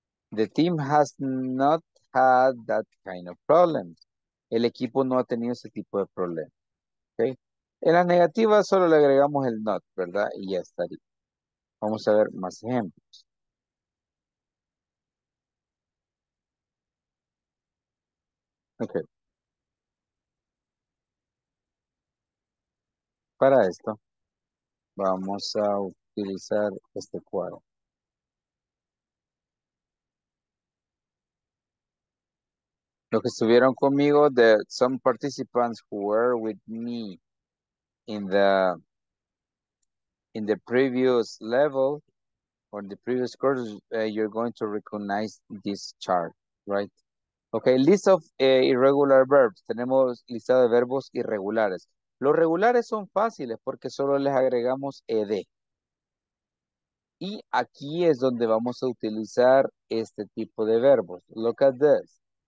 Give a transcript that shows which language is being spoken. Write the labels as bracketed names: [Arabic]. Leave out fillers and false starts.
[English] The team has not had that kind of problem. [Spanish] El equipo no ha tenido ese tipo de problema. Okay. En la negativa solo le agregamos el not, ¿verdad? Y ya estaría. Vamos a ver más ejemplos. Okay. Para esto, vamos a utilizar este cuadro. Los que estuvieron conmigo, [English] the some participants who were with me in the previous level or in the previous course, you're going to recognize this chart, right? Okay, list of irregular verbs. [Spanish] Tenemos lista de verbos irregulares. Los regulares son fáciles porque solo les agregamos ed. Y aquí es donde vamos a utilizar este tipo de verbos. [English] Look at this.